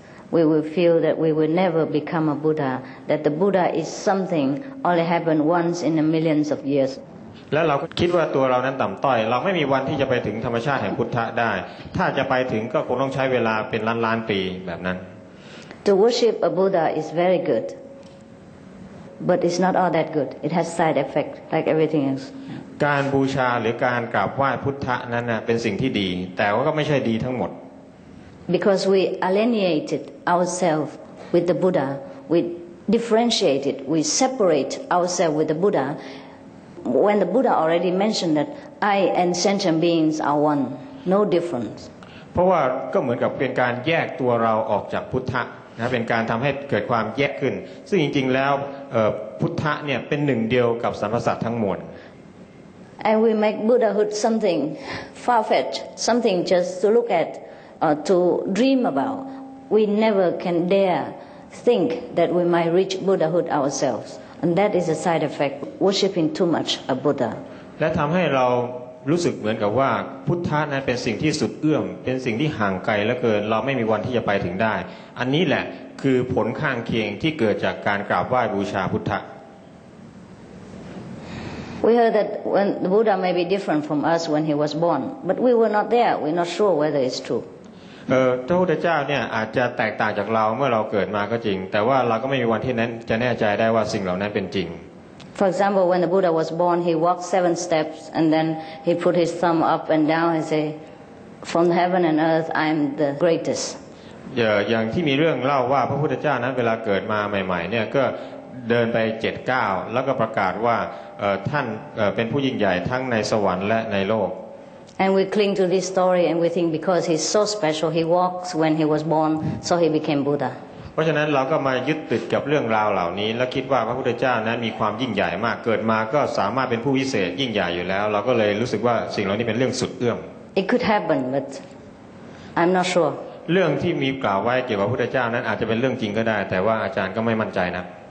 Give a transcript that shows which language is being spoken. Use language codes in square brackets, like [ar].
[en] We will feel that we will never become a Buddha, that the Buddha is something only happened once in a millions of years. [th] แล้วเราคิดว่าตัวเรานั้นต่ำต้อยเราไม่มีวันที่จะไปถึงธรรมชาติแห่งพุทธะได้ถ้าจะไปถึงก็คงต้องใช้เวลาเป็นล้านล้านปีแบบนั้น [en] To worship a Buddha is very good, but it's not all that good. It has side effects like everything else. [th] การบูชาหรือการกราบไหว้พุทธะนั้นเป็นสิ่งที่ดีแต่ว่าก็ไม่ใช่ดีทั้งหมด [en] Because we alienated ourselves with the Buddha, we differentiated, we separate ourselves with the Buddha. When the Buddha already mentioned that I and sentient beings are one, no difference. [th] เพราะว่าก็เหมือนกับเป็นการแยกตัวเราออกจากพุทธะนะเป็นการทำให้เกิดความแยกขึ้นซึ่งจริงๆแล้วพุทธะเนี่ยเป็นหนึ่งเดียวกับสรรพสัตว์ทั้งมวล [en] And we make Buddhahood something far-fetched, something just to look at. To dream about, we never can dare think that we might reach Buddhahood ourselves, and that is a side effect worshipping too much a Buddha. [th] และทำให้เรารู้สึกเหมือนกับว่าพุทธะนั้นเป็นสิ่งที่สุดเอื้อมเป็นสิ่งที่ห่างไกลเหลือเกินเราไม่มีวันที่จะไปถึงได้อันนี้แหละคือผลข้างเคียงที่เกิดจากการกราบไหว้บูชาพุทธะ [en] We heard that when the Buddha may be different from us when he was born, but we were not there. We're not sure whether it's true. [th] พระพุทธเจ้าเนี่ยอาจจะแตกต่างจากเราเมื่อเราเกิดมาก็จริงแต่ว่าเราก็ไม่มีวันที่นั้นจะแน่ใจได้ว่าสิ่งเหล่านั้นเป็นจริง [en] For example when the Buddha was born he walked 7 steps and then he put his thumb up and down and say from heaven and earth I'm the greatest [th] อย่างที่มีเรื่องเล่าว่าพระพุทธเจ้านั้นเวลาเกิดมาใหม่ๆเนี่ยก็เดินไป7ก้าวแล้วก็ประกาศว่าท่านเป็นผู้ยิ่งใหญ่ทั้งในสวรรค์และในโลก [en] And we cling to this story and we think because he's so special, he walks when he was born, so he became Buddha. [th] เพราะฉะนั้นเราก็มายึดติดกับเรื่องราวเหล่านี้และคิดว่าพระพุทธเจ้านั้นมีความยิ่งใหญ่มากเกิดมาก็สามารถเป็นผู้วิเศษยิ่งใหญ่อยู่แล้วเราก็เลยรู้สึกว่าสิ่งเหล่านี้เป็นเรื่องสุดเอื้อม [en] It could happen, but I'm not sure. [th] เรื่องที่มีกล่าวไว้เกี่ยวกับพระพุทธเจ้านั้นอาจจะเป็นเรื่องจริงก็ได้แต่ว่าอาจารย์ก็ไม่มั่นใจนะ